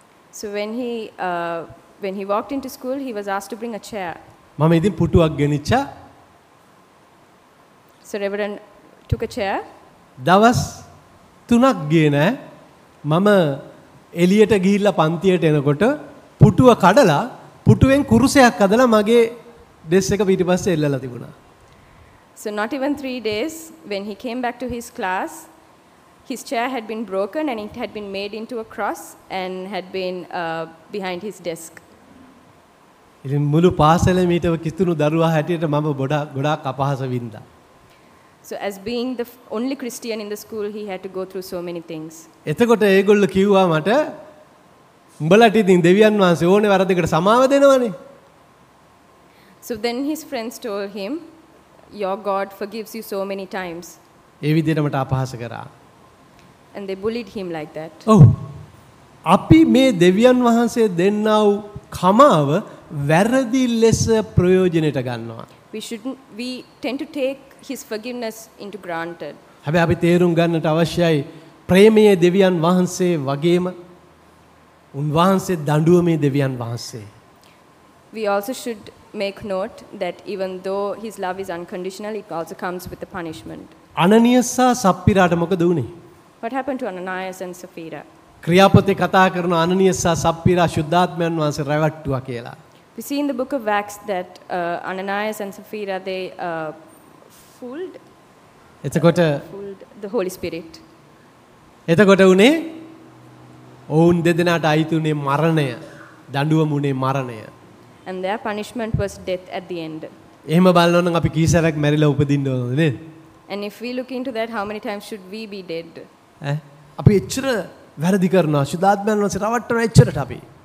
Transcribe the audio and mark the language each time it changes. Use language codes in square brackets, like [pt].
[en] So when he walked into school, he was asked to bring a chair. [si] මම ඉතින් පුටුවක් ගෙනිච්චා. [en] So Reverend took a chair. [si] දවස් 3ක් ගියේ නෑ. මම එළියට ගිහිල්ලා පන්තියට එනකොට පුටුව කඩලා පුටුවෙන් කුරුසයක් අදලා මගේ ඩෙස්ක් එක පිටිපස්සේ එල්ලලා තිබුණා. [en] So not even 3 days, when he came back to his class, his chair had been broken and it had been made into a cross and had been behind his desk. [si] ඉතින් මුළු පාසලේ මීට කිතුණු දරුවා හැටියට මම ගොඩාක් අපහස වින්දා. [en] So as being the only Christian in the school, he had to go through so many things. [si] එතකොට ඒගොල්ල කිව්වා මට උඹලට ඉතින් දෙවියන් වහන්සේ ඕනේ වරදකට සමාව දෙනවනේ. [en] So then his friends told him, your God forgives you so many times. [si] ඒ විදිහට මට අපහාස කරා. [en] And they bullied him like that. Oh. [si] අපි මේ දෙවියන් වහන්සේ දෙන්නා වූ කමාව වැරදි ලෙස ප්‍රයෝජනෙට ගන්නවා. [en] We tend to take his forgiveness into granted. [si] හැබැයි අපි තේරුම් ගන්නට අවශ්‍යයි ප්‍රේමයේ දෙවියන් වහන්සේ වගේම උන්වහන්සේ දඬුවමේ දෙවියන් වහන්සේ. [en] We also should make note that even though his love is unconditional, it also comes with a punishment. [si] Ananias and Sapphira ට මොකද වුනේ? [en] What happened to Ananias and Sapphira? [si] ක්‍රියාපතේ කතා කරන Ananias and Sapphira ශුද්ධාත්මයන් වහන්සේ රැවට්ටුවා කියලා. [en] We see in the book of Acts that Ananias and Sapphira they fooled. [si] එතකොට [en] fooled the Holy Spirit. [si] එතකොට උනේ ඔවුන් දෙදෙනාට අයිතුනේ මරණය. දඬුවම උනේ මරණය. [en] And their punishment was death at the end. [si] එහෙම බලනනම් අපි කී සැරයක් මැරිලා උපදින්න ඕනද නේද? [en] And if we look into that, how many times should we be dead? [si] ඈ අපි එච්චර වැරදි කරනවා ශුද්ධාත්මයන් වහන්සේ රවට්ටන එච්චරට අපි.